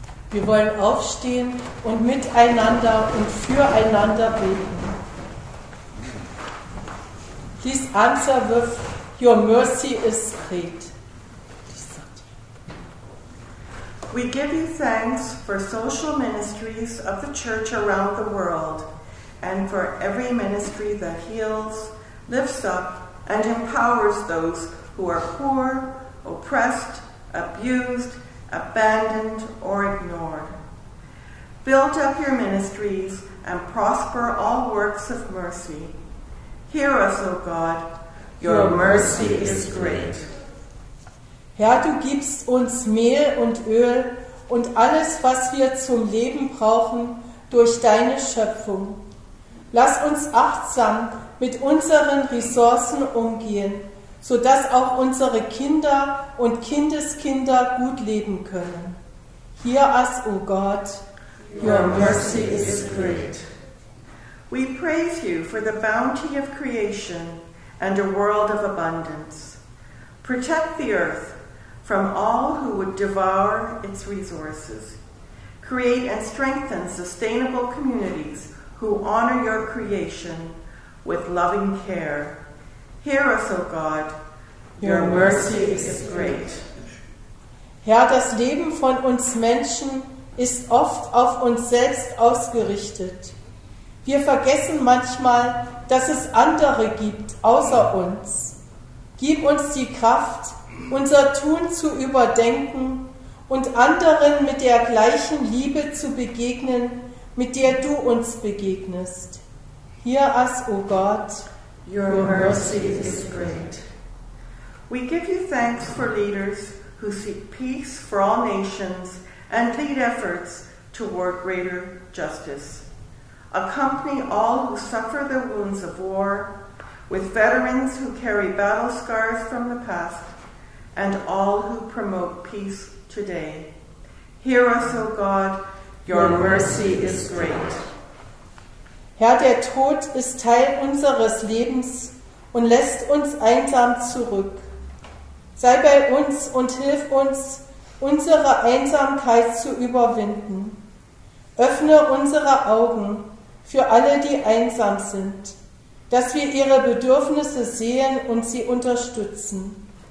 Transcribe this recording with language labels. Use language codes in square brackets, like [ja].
[de] Wir wollen aufstehen und miteinander und füreinander beten. [en] Please answer with your mercy is great. We give you thanks for social ministries of the church around the world and for every ministry that heals, lifts up, and empowers those who are poor, oppressed, abused, abandoned, or ignored. Build up your ministries and prosper all works of mercy. Hear us, O God, your mercy is great. [de] Herr, du gibst uns Mehl und Öl und alles, was wir zum Leben brauchen, durch deine Schöpfung. Lass uns achtsam mit unseren Ressourcen umgehen, sodass auch unsere Kinder und Kindeskinder gut leben können. [en] Hear us, O God. Your mercy is great. We praise you for the bounty of creation and a world of abundance. Protect the earth from all who would devour its resources. Create and strengthen sustainable communities who honor your creation with loving care. Hear us, O God. Your mercy is great. [de] Herr, das Leben von uns Menschen ist oft auf uns selbst ausgerichtet. Wir vergessen manchmal, dass es andere gibt außer uns. Gib uns die Kraft, unser Tun zu überdenken und anderen mit der gleichen Liebe zu begegnen, mit der du uns begegnest. [en] Hear us, O God. Your mercy is great. We give you thanks for leaders who seek peace for all nations and lead efforts toward greater justice. Accompany all who suffer the wounds of war, with veterans who carry battle scars from the past, and all who promote peace today. Hear us, O God, your mercy is great. [de] Herr, der Tod ist Teil unseres Lebens und lässt uns einsam zurück. Sei bei uns und hilf uns, unsere Einsamkeit zu überwinden. Öffne unsere Augen für alle, die einsam sind, dass wir ihre Bedürfnisse sehen und sie unterstützen.